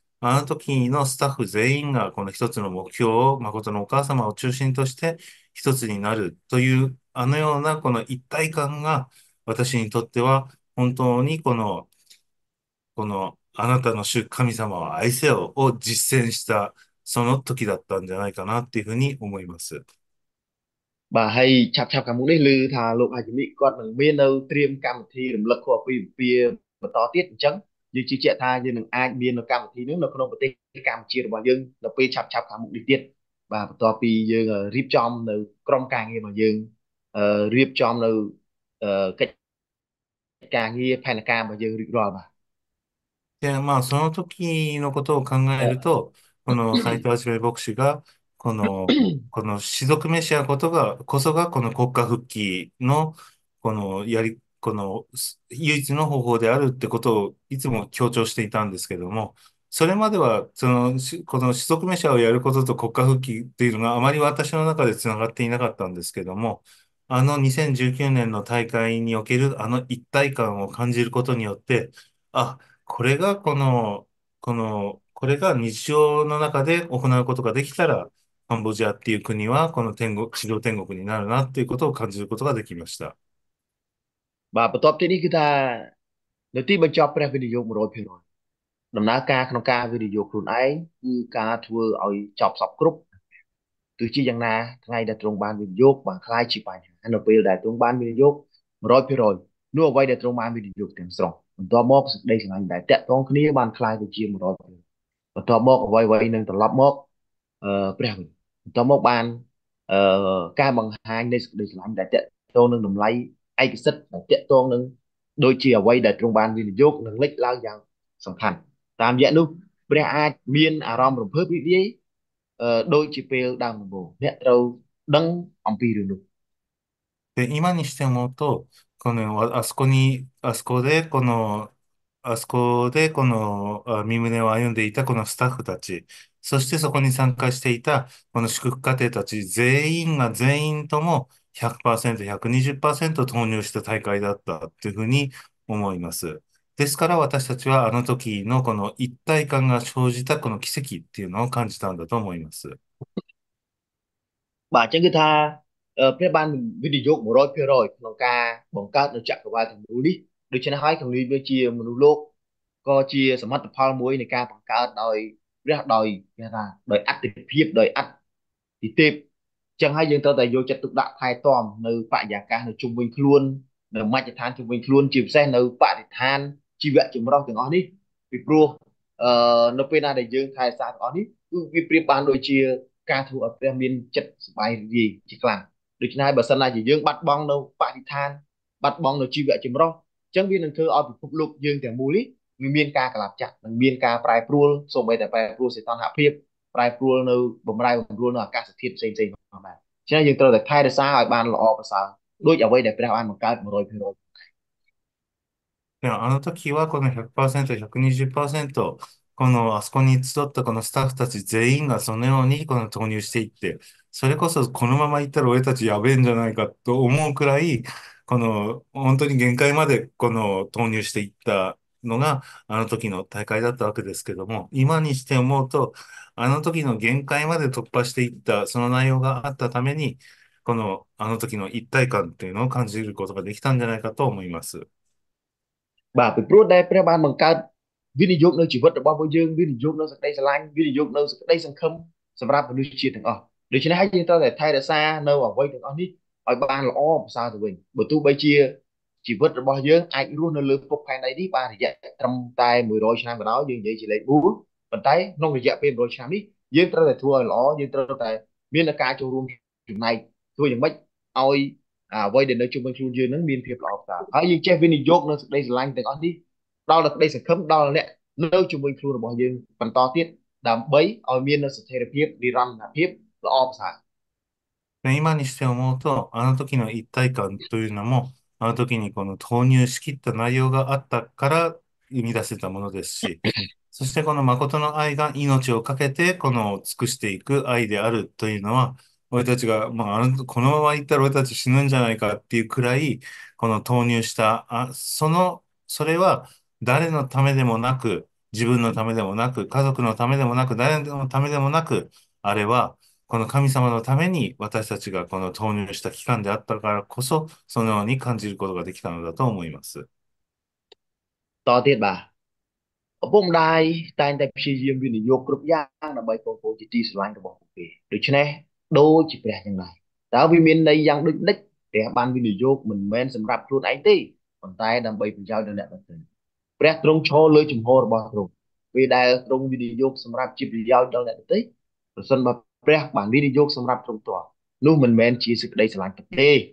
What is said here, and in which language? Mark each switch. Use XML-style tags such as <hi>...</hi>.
<ja>あの時のスタッフ全員がこの一つの目標を、誠のお母様を中心として一つになるという、あのようなこの一体感が、私にとっては本当にこのあなたの主神様は愛せよを実践したその時だったんじゃないかなっていうふうに思います。</ja> <km>បាទហើយឆាប់ឆាប់កម្មនេះឮថាលោកអាជំនិគាត់នឹងមាននៅត្រៀមកម្មវិធីរំលឹកខួបពីពីបន្តទៀតអញ្ចឹងយើងជឿជាក់ថាយើងនឹងអាចមាននៅកម្មវិធីនេះនៅក្នុងប្រទេសកម្ពុជារបស់យើងនៅពេលឆាប់ឆាប់ខាងមុខនេះទៀតបាទបន្ទាប់ពីយើងរៀបចំនៅក្រុមការងាររបស់យើងរៀបចំនៅកិច្ចការងារផែនការរបស់យើងរួចរាល់បាទ</km> <ja>で、まあ、その時のことを考えると、この斎藤一牧師が、この士族メシアことが、こそが、この国家復帰の、このやり、この唯一の方法であるってことをいつも強調していたんですけども、それまでは、この士族メシアをやることと国家復帰っていうのがあまり私の中でつながっていなかったんですけども、あの2019年の大会におけるあの一体感を感じることによって、あ、これがこれが日常の中で行うことができたら、カンボジアっていう国は、この天国、地上天国になるなっていうことを感じることができました。</ja> <km>បាទបន្ទាប់ទីនេះគឺថានៅទីបញ្ចប់ព្រះវិនិយោគ100%ដំណើរការក្នុងការវិនិយោគខ្លួនឯងគឺការធ្វើឲ្យចប់សព្វគ្រប់ទោះជាយ៉ាងណាថ្ងៃដែលទ្រង់បានវិនិយោគបានคลายជាបញ្ហានៅពេលដែលទ្រង់បានវិនិយោគ100%នោះអ្វីដែលទ្រង់បានវិនិយោគទាំងស្រុងបន្ទាប់មកសេចក្តីស្រឡាញ់ដែលតាក់ទងគ្នាបានคลายទៅជា100%បន្ទាប់មកអ្វីៗនឹងត្រឡប់មកព្រះវិញបន្ទាប់មកបាន ការបង្ហាញនៃសេចក្តីស្រឡាញ់ដែលតាក់ទងនឹងតម្លៃឯកសិទ្ធិដែលតាក់ទងនឹងដូចជាអ្វីដែលទ្រង់បានវិនិយោគនឹងលេចឡើងយ៉ាងសំខាន់តាមរយៈនោះព្រះអាចមានអារម្មណ៍រំភើបរីករាយដូចជាពេលដើមដំបូងអ្នកត្រូវដឹងអំពីរឿងនោះ</km> <ja>で、今にして思うと、あそこで、身旨を歩んでいたこのスタッフたち、そしてそこに参加していたこの祝福家庭たち、全員が全員とも100%、120%投入した大会だったというふうに思います。ですから私たちはあの時のこの一体感が生じたこの奇跡っていうのを感じたんだと思います。</ja> <km>បាទអញ្ចឹងគឺថាព្រះបានវិនិយោគ100%ក្នុងការបង្កើតនៅចក្រវាឡទាំងមូលនេះដូច្នេះហើយក្នុងនាមជាមនុស្សលោកក៏ជាសមិទ្ធផលមួយនៃការបង្កើតដោយព្រះដោយគេថាដោយអត្ថិភាពដោយអត្ថិទេពអញ្ចឹងហើយយើងត្រូវតែយកចិត្តទុកដាក់ថែទាំនៅបរិយាកាសនៅជុំវិញខ្លួននៅមជ្ឈដ្ឋានជុំវិញខ្លួនជាពិសេសនៅបរិស្ថានជីវៈចម្រុះទាំងអស់នេះពីព្រោះ នៅពេលណាដែលយើងថែសារទាំងអស់នេះគឺវាប្រៀបបានដូចជាការធ្វើឲ្យព្រះមានចិត្តសប្បាយរីករាយជាខ្លាំងដូច្នេះហើយបើសិនណាជាយើងបាត់បង់នៅបរិស្ថានបាត់បង់នៅជីវៈចម្រុះអញ្ចឹងវានឹងធ្វើឲ្យពិភពលោកយើងទាំងមូលនេះមានការកលាបចក្រនិងមានការប្រែប្រួលសូម្បីតែប្រែប្រួលសីតុណ្ហភាពប្រែប្រួលនៅបម្រែបម្រួលនៅអាកាសធាតុផ្សេងៗផងដែរដូច្នេះយើងត្រូវតែថែរក្សាឲ្យបានល្អប្រសើរដូចអ្វីដែលព្រះបានបង្កើត100%</km> <ja>いや、あの時はこの100%、120%、あそこに集ったこのスタッフたち全員がそのようにこの投入していって、それこそこのまま行ったら俺たちやべえんじゃないかと思うくらい、本当に限界まで投入していったのが、あの時の大会だったわけですけども、今にして思うと、あの時の限界まで突破していった、その内容があったために、あの時の一体感っていうのを感じることができたんじゃないかと思います。</ja> <km>បាទពីព្រោះដែលព្រះបានបង្កើតវិនិយោគនៅជីវិតរបស់យើងវិនិយោគនៅសេចក្តីស្រឡាញ់វិនិយោគនៅសេចក្តីសង្ឃឹមសម្រាប់មនុស្សជាតិទាំងអស់ដូច្នេះហើយយើងត្រូវតែថែរក្សានៅអ្វីទាំងអស់នេះឲ្យបានល្អប្រសើរទៅវិញបើទោះបីជាជីវិតរបស់យើងអាចរស់នៅលើភពផែនដីនេះបានរយៈត្រឹមតែ100ឆ្នាំក៏ដោយយើងនិយាយជាលេខ4ប៉ុន្តែក្នុងរយៈពេល100ឆ្នាំនេះយើងត្រូវតែធ្វើឲ្យល្អយើងត្រូវតែមានការចូលរួមចំណែកធ្វើយ៉ាងម៉េចឲ្យ vậy để nói chung với chung dương nó miên phiệp lọc ta hả dương chế viên dục nó đây sẽ lành tình ơn đi đó là đây sẽ không đó là nè nói chung với chung là bỏ dương phần to tiết đảm bấy ở miên nó sẽ thay đổi phiếp đi răng là phiếp lọc xa.</km> <ja>今にして思うと、あの時の一体感というのも、あの時にこの投入しきった内容があったから生み出せたものですし、そしてこの誠の愛が命を懸けて、この尽くしていく愛であるというのは、俺たちが、まあ、このままいったら俺たち死ぬんじゃないかっていうくらい、この投入した、それは誰のためでもなく、自分のためでもなく、家族のためでもなく、誰のためでもなく、あれは、この神様のために私たちがこの投入した期間であったからこそそのように感じることができたのだと思います。</ja> <km>តោះទៀតបាទឪពុកម្ដាយតែងតែព្យាយាមវិនិយោគគ្រប់យ៉ាងដើម្បីកូនកូនជាទីស្រឡាញ់របស់ពួកគេដូច្នេះដូចជាព្រះយ៉ាងណាតើវាមានន័យយ៉ាងដូចម្ដេចព្រះបានវិនិយោគមិនមែនសម្រាប់ខ្លួនឯងទេប៉ុន្តែដើម្បីប្រយោជន៍ដល់អ្នកដទៃព្រះទ្រង់ឈរលើជំហររបស់ទ្រង់វាដែលទ្រង់វិនិយោគសម្រាប់ជាប្រយោជន៍ដល់អ្នកដទៃប្រសិនបើព្រះបានវិនិយោគសម្រាប់ទ្រង់ផ្ទាល់នោះមិនមែនជាសេចក្តីស្រឡាញ់ទេ</km>